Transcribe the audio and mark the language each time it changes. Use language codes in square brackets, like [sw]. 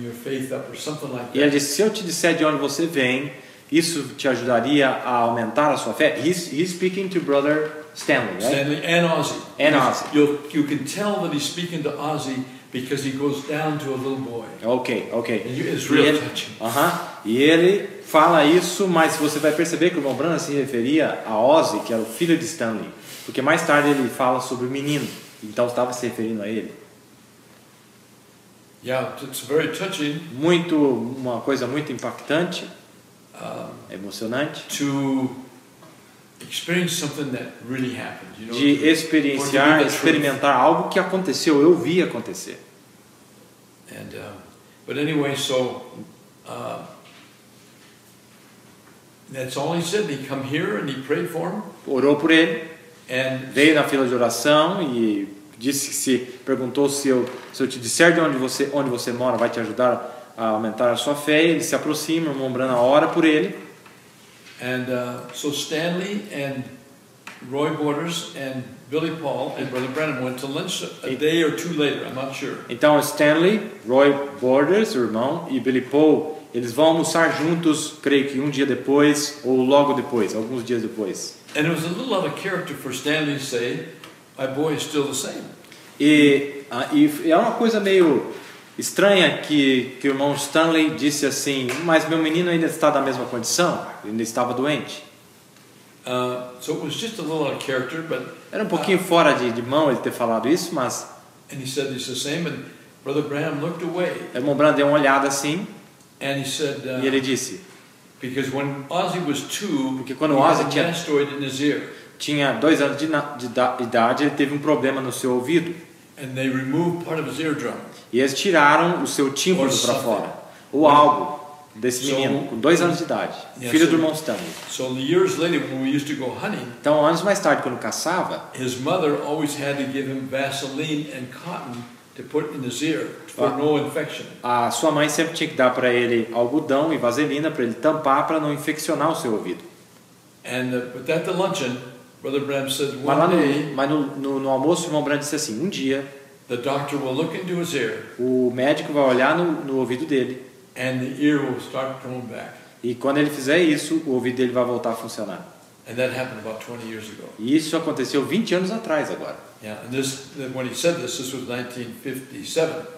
[pt] E ele disse, se eu te disser de onde você vem, isso te ajudaria a aumentar a sua fé? [en] He's speaking to Brother Stanley, right? Stanley and Ozzy. And Ozzy. You can tell that he's speaking to Ozzy because he goes down to a little boy. Okay, okay. And it's real touching. [pt] E ele fala isso, mas você vai perceber que o irmão Branham se referia a Ozzy, que era o filho de Stanley. Porque mais tarde ele fala sobre o menino. Então estava se referindo a ele. [en] Yeah, it's very touching. [pt] Muito, uma coisa muito impactante. Emocionante. [en] To experience something that really happened, you know, [pt] de experienciar, experimentar truth. Algo que aconteceu, eu vi acontecer. [en] And, but anyway, so that's all he said. He come here and he prayed for him. [pt] Orou por ele. [en] And [pt] veio na fila de oração e disse que se perguntou se eu te disser de onde você mora, vai te ajudar a aumentar a sua fé. Ele se aproxima, o irmão Branham ora por ele. [en] And so Stanley and Roy Borders and Billy Paul and Brother Branham went to lunch a day or two later, I'm not sure. [pt] Então Stanley, Roy Borders, o irmão, e Billy Paul, eles vão almoçar juntos, creio que um dia depois ou logo depois, alguns dias depois. [en] And it was a little out of character for Stanley to say, "My boy is still the same." [pt] E é uma coisa meio estranha que o irmão Stanley disse assim, mas meu menino ainda está da mesma condição, ainda estava doente. [en] So it was just a little out of character, but [pt] era um pouquinho fora de mão ele ter falado isso, mas [en] and he said it's the same, and Brother Branham looked away. [pt] O irmão Branham deu uma olhada assim, [en] and he said, [pt] e ele disse, [en] because when Ozzy was two, [pt] porque quando Ozzy tinha [en] mastoid in his ear. [pt] Tinha 2 anos de idade, ele teve um problema no seu ouvido. [en] And they removed part of his eardrum. [pt] E eles tiraram o seu tímpano para fora, ou algo desse menino com 2 anos de idade, filho do irmão Stanley. [en] So years later, when we used to go hunting, [pt] então anos mais tarde quando caçava, [en] his mother always had to give him Vaseline and cotton to put in his ear for no infection. [pt] A sua mãe sempre tinha que dar para ele algodão e vaselina para ele tampar para não infeccionar o seu ouvido. [en] And but at the luncheon, Brother Branham said one [pt] mas no, [en] day. [pt] Mas no almoço, o irmão Branham disse assim: um dia. [en] The doctor will look into his ear. [pt] O médico vai olhar no ouvido dele. [en] And the ear will start coming back. [pt] E quando ele fizer isso, o ouvido dele vai voltar a funcionar. [en] And that happened about 20 years ago. [pt] E isso aconteceu 20 anos atrás agora. [en] Yeah, and this when he said this, this was 1957.